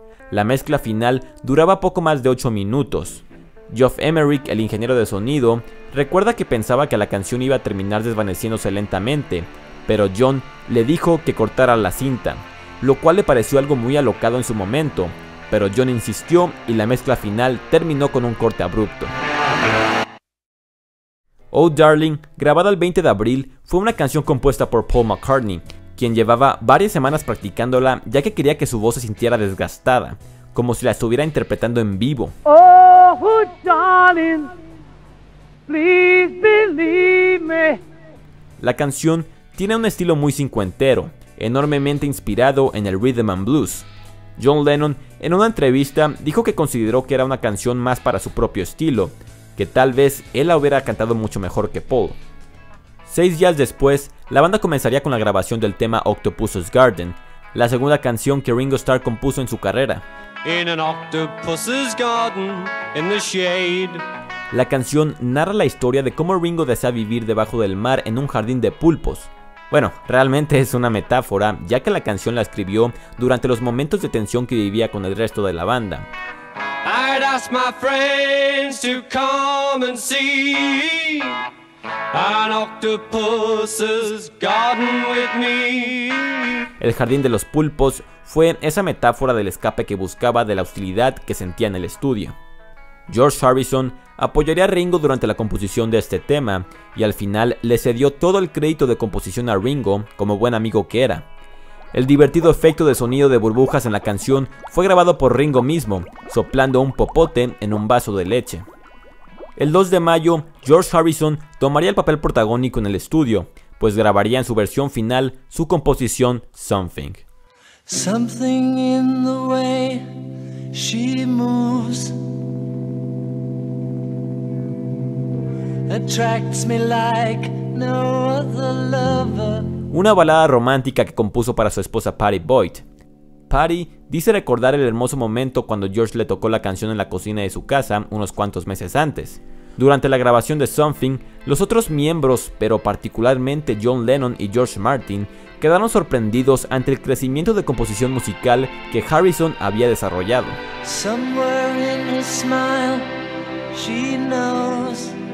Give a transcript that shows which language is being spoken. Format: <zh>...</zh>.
<es>La mezcla final duraba poco más de 8 minutos. Geoff Emerick, el ingeniero de sonido, recuerda que pensaba que la canción iba a terminar desvaneciéndose lentamente, pero John le dijo que cortara la cinta, lo cual le pareció algo muy alocado en su momento, pero John insistió y la mezcla final terminó con un corte abrupto. Oh Darling, grabada el 20 de abril, fue una canción compuesta por Paul McCartney, quien llevaba varias semanas practicándola ya que quería que su voz se sintiera desgastada, como si la estuviera interpretando en vivo.</es> <en>Oh, darling, please believe me.</en> <es>La canción tiene un estilo muy cincuentero, enormemente inspirado en el rhythm and blues. John Lennon, en una entrevista, dijo que consideró que era una canción más para su propio estilo, que tal vez él la hubiera cantado mucho mejor que Paul. 6 días después, la banda comenzaría con la grabación del tema Octopus's Garden, la segunda canción que Ringo Starr compuso en su carrera.</es> <en>In an octopus's garden, in the shade.</en> <es>La canción narra la historia de cómo Ringo desea vivir debajo del mar en un jardín de pulpos. Bueno, realmente es una metáfora, ya que la canción la escribió durante los momentos de tensión que vivía con el resto de la banda.</es> <en>I'd ask my friends to come and see an octopus's garden with me.</en> <es>El jardín de los pulpos fue esa metáfora del escape que buscaba de la hostilidad que sentía en el estudio. George Harrison apoyaría a Ringo durante la composición de este tema y al final le cedió todo el crédito de composición a Ringo como buen amigo que era. El divertido efecto de sonido de burbujas en la canción fue grabado por Ringo mismo, soplando un popote en un vaso de leche. El 2 de mayo, George Harrison tomaría el papel protagónico en el estudio, pues grabaría en su versión final su composición Something.</es> <en>Something in the way she moves attracts me like no other lover.</en> <es>Una balada romántica que compuso para su esposa Patty Boyd. Patty dice recordar el hermoso momento cuando George le tocó la canción en la cocina de su casa unos cuantos meses antes. Durante la grabación de Something, los otros miembros, pero particularmente John Lennon y George Martin, quedaron sorprendidos ante el crecimiento de composición musical que Harrison había desarrollado.</es> <en>Somewhere in her smile, she knows.</en>